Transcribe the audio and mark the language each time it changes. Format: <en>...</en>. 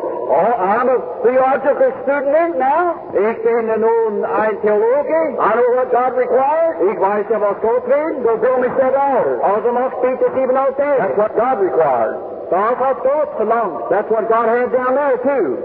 <en>I'm a theological student now.</en> <de>Ich bin nun ein Theologe.</de> <en>I know what God requires.</en> <de>Ich weiß ja, was Gott will.</de> <en>So build me 7 altars.</en> <de>Also macht bitte 7 Altäre.</de> <en>That's what God requires.</en> <de>Das hat Gott verlangt.</de> <en>That's what God had down there too.</en>